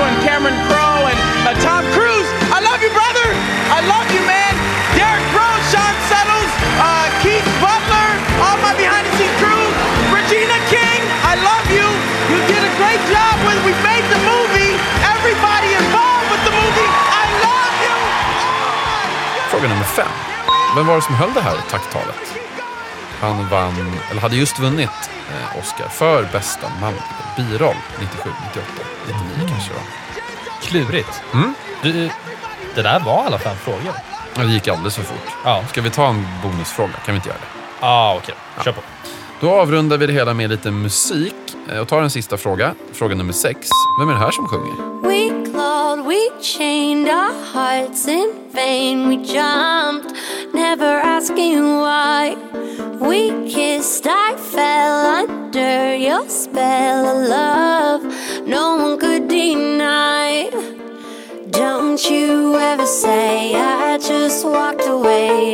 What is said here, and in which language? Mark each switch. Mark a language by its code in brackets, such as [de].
[en] And Cameron Crowe and Tom Cruise. I love you, brother! I love you, man! Derek Crowe, Sean Settles, Keith Butler, all my behind. Gina King, I love you. You did a great job when we made the movie. Everybody involved with the movie, I love you. Oh, [sv] fråga nummer 5. Vem var det som höll det här tacktalet? Han vann, eller hade just vunnit Oscar för bästa manliga biroll 97-98. 99 kanske då. Klurigt. Mm? Det där var alla 5 frågor. Ja, det gick alldeles för fort. Ja. Ska vi ta en bonusfråga? Kan vi inte göra det? Ja, okej. [en] Okay. [sv] Kör på. Då avrundar vi det hela med lite musik och tar en sista fråga. Fråga nummer 6. Vem är det här som sjunger? [en] We clawed, we chained our hearts in vain. We jumped, never asking why. We kissed, I fell under your spell of love. No one could deny. Don't you ever say I just walked away.